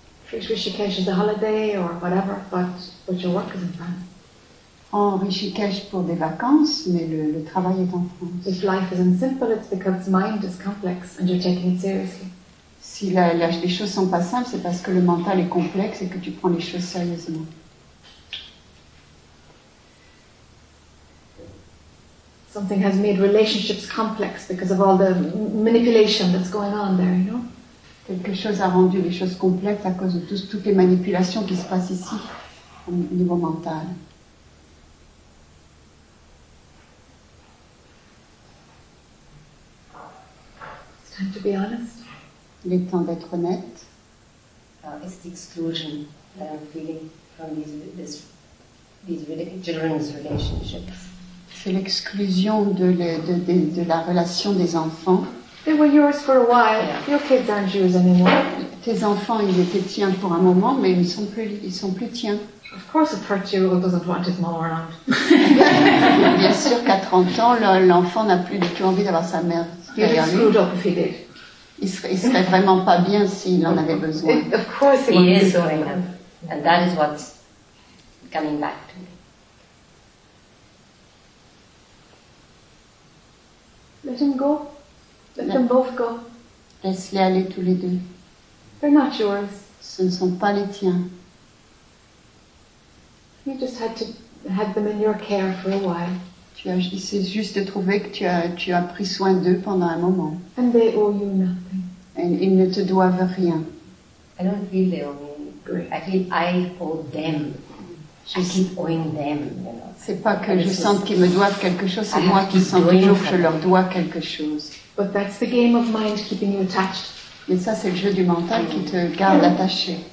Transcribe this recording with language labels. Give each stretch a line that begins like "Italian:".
English: Rishikesh is a holiday or whatever, but your work is in France.
French: En Rishikesh pour des vacances, mais le travail est en France.
English: If life isn't simple, it's because mind is complex and you're taking it seriously.
French: Si les choses sont pas simples, c'est parce que le mental est complexe et que tu prends les choses sérieusement.
English: Something has made relationships complex because of all the manipulation that's going on there, you know?
French: Quelque chose a rendu les choses complexes à cause de toutes les manipulations qui se passent ici, au niveau mental.
English: It's time to be honest.
French: Il est temps d'être honnête.
English: It's the exclusion that I'm feeling from these children's relationships.
French: C'est l'exclusion de la relation des enfants.
English: They were yours for a while. Yeah. Your kids aren't yours anymore.
French: Tes enfants, ils étaient tiens pour un moment, mais ils sont plus tiens.
English: Of course, a 30-year-old doesn't want his mom around.
French: Bien sûr qu'à 30 ans, l'enfant n'a plus du tout envie d'avoir sa mère derrière lui.
English: He'd be screwed up if he did.
French: Il serait vraiment pas bien s'il en avait besoin.
English: Of course, he is showing them, and that is what's coming back to me. Let him go. Let them both go.
French: Laisse-les aller tous les deux.
English: They're not yours.
French: Ce ne sont pas les tiens.
English: You just had to have them in your care for a while.
French: C'est juste de trouver que tu as pris soin d'eux pendant un moment.
English: And they owe you nothing.
French: Et ils ne te doivent rien.
English: I don't feel they owe me. I feel I owe them. Je keep owing them, you know.
French: C'est pas que je sente qu'ils me doivent quelque chose, c'est moi qui sens toujours que je leur dois quelque chose.
English: But that's the game of mind keeping you attached.
French: Mais ça, c'est le jeu du mental qui te garde attaché.